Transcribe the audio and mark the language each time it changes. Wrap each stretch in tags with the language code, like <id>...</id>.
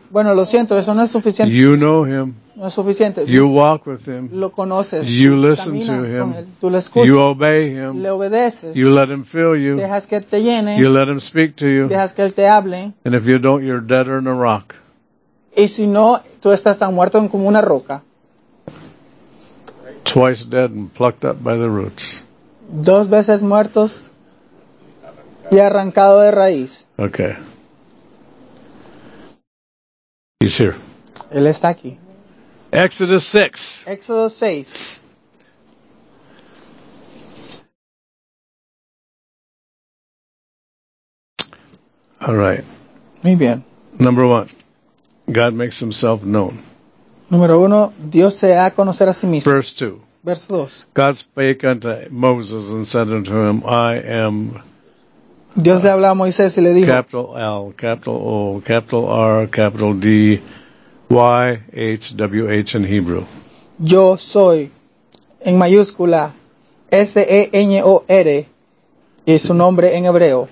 <es>Bueno, lo siento, eso no es suficiente.</es> <en>You know him.</en> <es>No es suficiente.</es> <en>You walk with him.</en> <es>Lo conoces.</es> <en>You listen to him.</en> <es>Tú le escuchas.</es> <en>You obey him.</en> <es>Le obedeces.</es> <en>You let him fill you.</en> <es>Dejas que te llene.</es> <en>You let him speak to you.</en> <es>Dejas que él te hable.</es> <en>And if you don't, you're deader than a rock.</en> <es>Y si no, tú estás tan muerto como una roca.</es> <en>Twice dead and plucked up by the roots.</en> <es>Dos veces muertos y arrancado de raíz.</es> <en>Okay. He's here.</en> <es>Él está aquí.</es> <en>Exodus 6. Exodus 6. All right.</en> <es>Muy bien.</es> <en>Number one. God makes himself known.</en> <es>Número uno, Dios se da a conocer a sí mismo.</es> <en>Verse 2.</en> <es>Verso 2.</es> <en>God spake unto Moses and said unto him, I am.</en> <es>Dios le habló a Moisés y le dijo.</es> <en>Capital L, capital O, capital R, capital D, Y, H, W, H in Hebrew.</en> <es>Yo soy, en mayúscula, S-E-N-O-R, y su nombre en hebreo.</es>